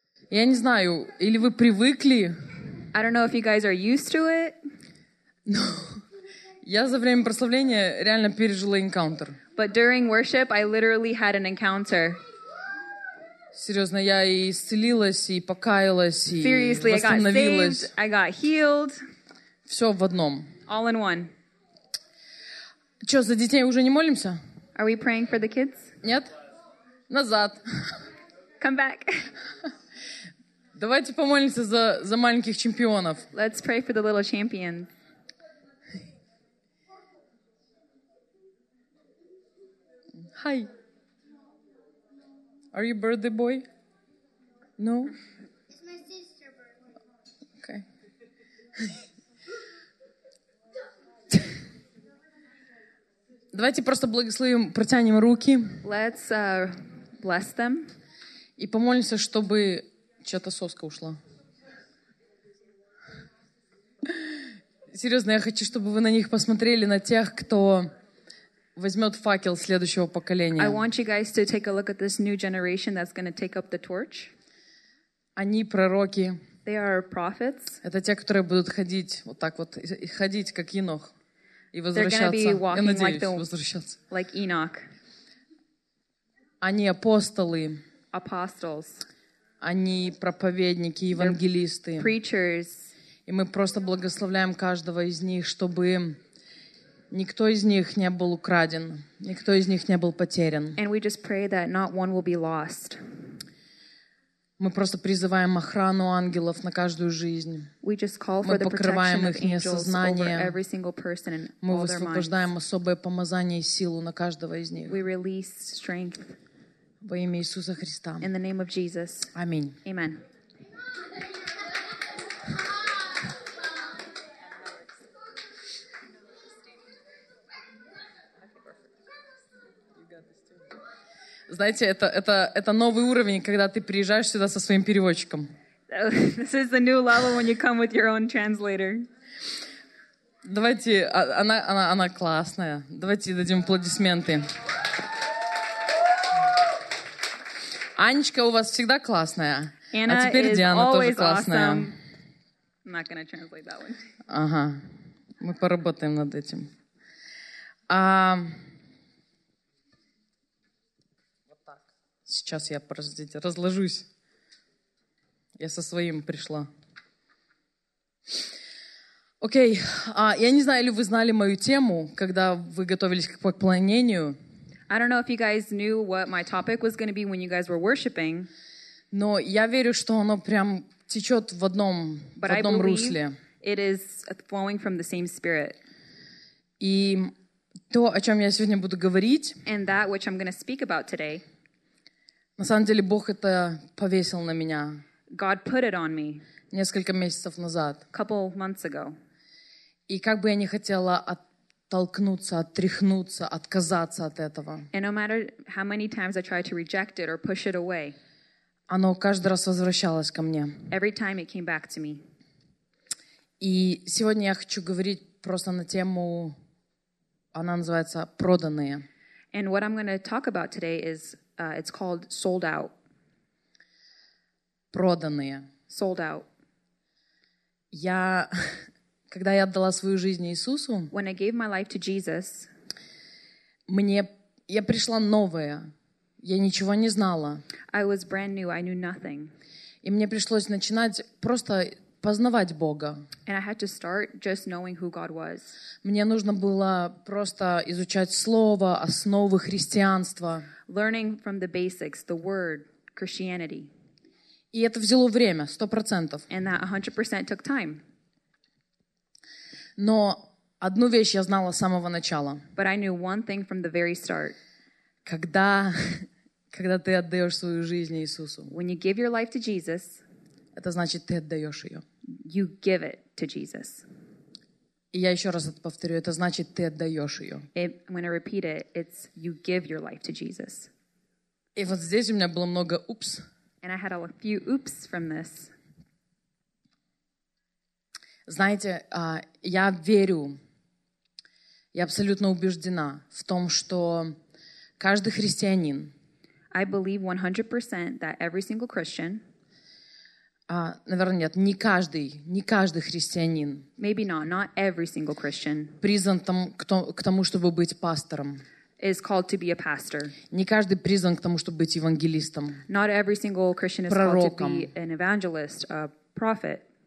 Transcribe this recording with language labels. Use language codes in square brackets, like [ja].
[ru] Я не знаю, или вы привыкли. [en] I don't know if you guys are used to it. [ru] Но я за время прославления реально пережила [en] encounter. But during worship, I literally had an encounter. [ru] Серьезно, я и исцелилась, и покаялась, и [en] Seriously, [ru] восстановилась. [en] I got saved, I got healed. [ru] Все в одном. [en] All in one. [ru] Че, за детей уже не молимся? [en] Are we praying for the kids? [ru] Нет? Назад. [en] Come back. [ru] Давайте помолимся за маленьких чемпионов. [en] Let's pray for the little champions. Hi. Are you birthday boy? No? It's my sister's birthday. Okay. [ru] Давайте просто благословим, протянем руки. [en] Let's bless them. [ru] И помолимся, чтобы чья-то соска ушла. Серьезно, я хочу, чтобы вы на них посмотрели, на тех, кто возьмет факел следующего поколения. [en] I want you guys to take a look at this new generation that's going to take up the torch. [ru] Они пророки. [en] They are prophets. [ru] Это те, которые будут ходить вот так вот, и ходить, как Енох. И возвращаться. [en] They're going to be walking, [ru] я надеюсь, [en] like the, [ru] возвращаться. [en] Like Enoch. [ru] Они апостолы. [en] Apostles. [ru] Они проповедники, евангелисты. [en] They're preachers. [ru] И мы просто благословляем каждого из них, чтобы никто из них не был украден, никто из них не был потерян. [en] And we just pray that not one will be lost. [ru] Мы просто призываем охрану ангелов на каждую жизнь. [en] We just call [ru] мы покрываем их несознание. [en] Every single person and [ru] мы высвобождаем особое помазание и силу на каждого из них. [en] We release strength. [ru] Во имя Иисуса Христа. [en] In the name of Jesus. [ru] Аминь. [en] Amen. [ru] Знаете, это новый уровень, когда ты приезжаешь сюда со своим переводчиком. [en] This is the new level when you come with your own translator. [ru] Давайте, она классная. Давайте дадим аплодисменты. Анечка у вас всегда классная. [en] Anna, [ru] а теперь Диана тоже классная. [en] Awesome. I'm not gonna translate that one. [ru] Ага, мы поработаем над этим. Сейчас я, подождите, разложусь. Я со своим пришла. Окей. Я не знаю, ли вы знали мою тему, когда вы готовились к поклонению. [en] I don't know if you guys knew what my topic was going to be when you guys were worshiping. [ru] Но я верю, что оно прям течет в одном русле. [en] It is flowing from the same spirit. [ru] И то, о чем я сегодня буду говорить. [en] And that which I'm going to speak about today. [ru] На самом деле, Бог это повесил на меня. [en] God put it on me. [ru] Несколько месяцев назад. [en] Couple months ago. [ru] И как бы я не хотела оттолкнуться, отряхнуться, отказаться от этого. [en] And no matter how many times I tried to reject it or push it away. [ru] Оно каждый раз возвращалось ко мне. [en] Every time it came back to me. [ru] И сегодня я хочу говорить просто на тему, она называется «Проданные». [en] And what I'm going to talk about today is it's called sold out. [ru] Проданные. [en] Sold out. [ru] Я, когда я отдала свою жизнь Иисусу, [en] when I gave my life to Jesus, [ru] мне, я пришла новая. Я ничего не знала. [en] I was brand new. I knew nothing. [ru] И мне пришлось начинать просто познавать Бога. [en] And I had to start just knowing who God was. [ru] Мне нужно было просто изучать Слово, основы христианства. [en] Learning from the basics, the word, Christianity. [ru] И это взяло время, 100%. [en] And that 100% took time. [ru] Но одну вещь я знала с самого начала. [en] But I knew one thing from the very start. [ru] Когда ты отдаешь свою жизнь Иисусу. [en] When you give your life to Jesus. [ru] Это значит, ты отдаешь ее. [en] You give it to Jesus. [ru] И я еще раз это повторю. Это значит, ты отдаешь ее. [en] I'm going to repeat it. It's you give your life to Jesus. [ru] И вот здесь у меня было много [en] oops. And I had a few oops from this. [ru] Знаете, я верю, я абсолютно убеждена в том, что каждый христианин, [en] I believe 100% that every single Christian, [ru] Наверное, нет, не каждый христианин. [en] Maybe not every single Christian. [ru] Призван там к тому, чтобы быть пастором. [en] Is called to be a pastor. [ru] Не каждый призван к тому, чтобы быть евангелистом. [en] Not every single Christian is [ru] пророком. [en] Called to be an evangelist, a prophet.